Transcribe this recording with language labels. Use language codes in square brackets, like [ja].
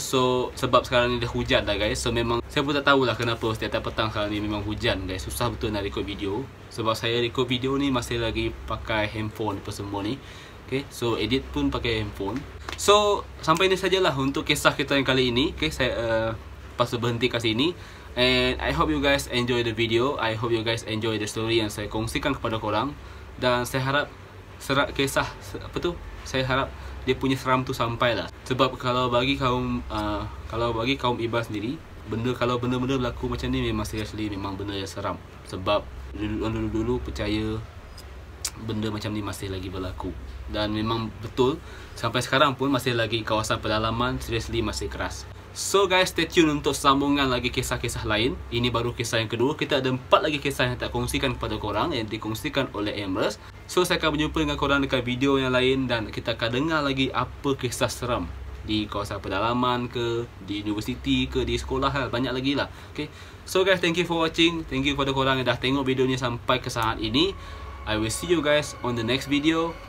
[ms] So sebab sekarang ni dah hujan dah, guys. So memang saya pun tak tahulah kenapa setiap petang sekarang ni memang hujan, guys. Susah betul nak record video. Sebab saya record video ni masih lagi pakai handphone apa semua ni. Okay, so edit pun pakai handphone. So sampai ni sajalah untuk kisah kita yang kali ini. Okay, saya pas berhenti kat sini. [en] And I hope you guys enjoy the video. I hope you guys enjoy the story [ms] yang saya kongsikan kepada korang. Dan saya harap serat kisah apa tu, saya harap dia punya seram tu sampailah. Sebab kalau bagi kaum Iban sendiri, benda-benda berlaku macam ni memang seriously memang benda yang seram. Sebab dulu-dulu percaya benda macam ni masih lagi berlaku. Dan memang betul sampai sekarang pun masih lagi kawasan pedalaman seriously masih keras. [en] So guys, stay tune [ms] untuk sambungan lagi kisah-kisah lain. Ini baru kisah yang kedua. Kita ada 4 lagi kisah yang tak kongsikan kepada korang, yang dikongsikan oleh Amrus. So saya akan berjumpa dengan korang dekat video yang lain, dan kita akan dengar lagi apa kisah seram di kawasan pedalaman ke, di universiti ke, di sekolah ke, banyak lagi lah. Okay. [en] So guys, thank you for watching. Thank you [ms] kepada korang yang dah tengok video ni sampai ke saat ini. [en] I will see you guys on the next video.